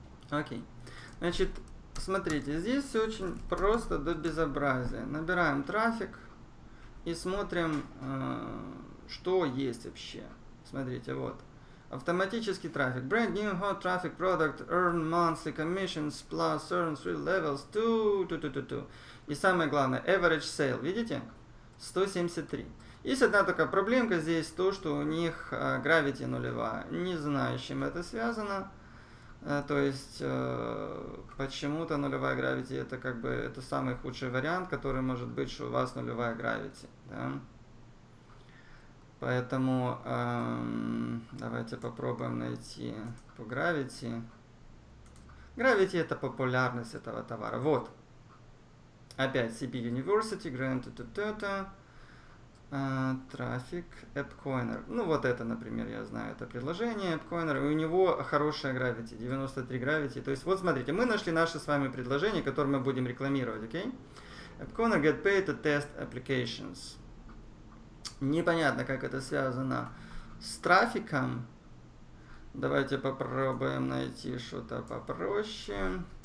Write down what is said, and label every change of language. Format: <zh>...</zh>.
<ru>Окей. Значит, смотрите, здесь все очень просто до безобразия. Набираем трафик и смотрим, что есть вообще. Смотрите, вот. Автоматический трафик.</ru> <en>Brand new hot traffic product. Earn monthly commissions plus earn three levels. Ту-ту-ту-ту-ту.</en> <ru>И самое главное,</ru> <en>average sale,</en> <ru>видите? 173. Есть одна только проблемка здесь, то, что у них gravity нулевая. Не знаю, с чем это связано. То есть, почему-то нулевая gravity, это как бы, это самый худший вариант, который может быть, что у вас нулевая gravity. Да? Поэтому давайте попробуем найти по gravity. Gravity – это популярность этого товара. Вот. Опять CP University, Grand, Traffic, AppCoiner. Ну, вот это, например, я знаю, это предложение AppCoiner. И у него хорошая gravity, 93 gravity. То есть, вот смотрите, мы нашли наше с вами предложение, которое мы будем рекламировать, окей?</ru> <en>Okay? AppCoiner get paid to test applications.</en> <ru>Непонятно, как это связано с трафиком. Давайте попробуем найти что-то попроще.</ru>